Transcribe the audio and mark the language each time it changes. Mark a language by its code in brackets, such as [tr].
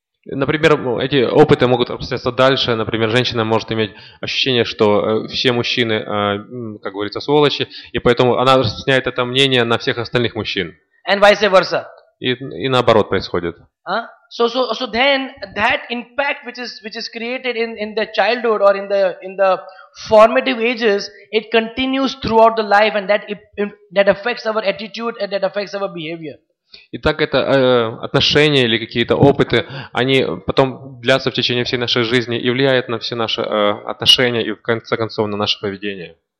[ru] Например, эти опыты могут распространяться дальше. Например, женщина может иметь ощущение, что все мужчины, как говорится, сволочи, и поэтому она распространяет это мнение на всех остальных мужчин. [en] And vice versa. [ru] И наоборот происходит. [en] So then that impact which is created in the childhood or in the formative ages, it continues throughout the life, and that affects our attitude and that affects our behavior. [ru] Итак, это отношения или какие-то опыты, они потом длятся в течение всей нашей жизни и влияют на все наши отношения и, в конце концов, на наше поведение.